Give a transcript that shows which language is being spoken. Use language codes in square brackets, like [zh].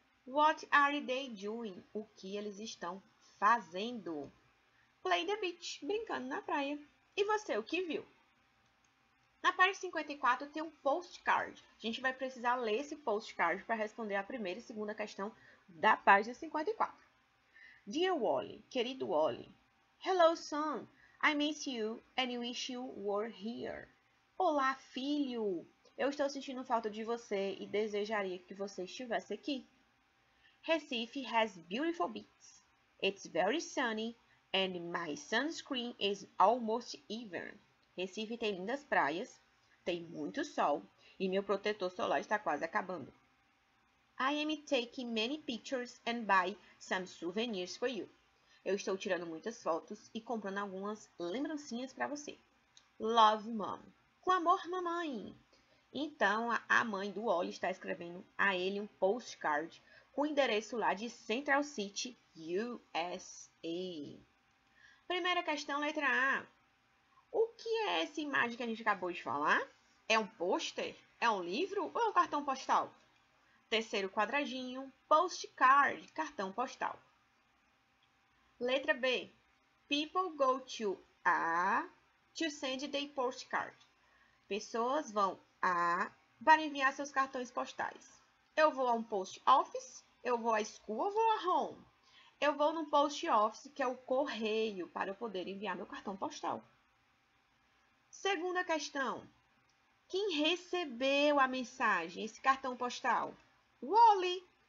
[en] What are they doing? [pt] O que eles estão fazendo? [en] Play the beach. [pt] Brincando na praia. E você, o que viu? Na página 54 tem um postcard. A gente vai precisar ler esse postcard para responder a primeira e segunda questão da página 54. [en] Dear Wally, [pt] querido Wally. [en] Hello, son. I miss you and wish you were here. [pt] Olá, filho. Eu estou sentindo falta de você e desejaria que você estivesse aqui. [en] Recife has beautiful beaches. It's very sunny. And my sunscreen is almost even. [pt] Recife tem lindas praias, tem muito sol e meu protetor solar está quase acabando. [en] I am taking many pictures and buy some souvenirs for you. [pt] Eu estou tirando muitas fotos e comprando algumas lembrancinhas para você. [en] Love, mom. [pt] Com amor, mamãe. Então, a mãe do Ollie está escrevendo a ele um postcard com o endereço lá de Central City, USA. Primeira questão, letra A. O que é essa imagem que a gente acabou de falar? É um pôster? É um livro? Ou é um cartão postal? Terceiro quadradinho, postcard, cartão postal. Letra B. [en] People go to A to send their postcard. [pt] Pessoas vão a para enviar seus cartões postais. Eu vou a um post office? Eu vou à school ou vou a home? Eu vou no post office, que é o correio, para eu poder enviar meu cartão postal. Segunda questão. Quem recebeu a mensagem, esse cartão postal? Wally.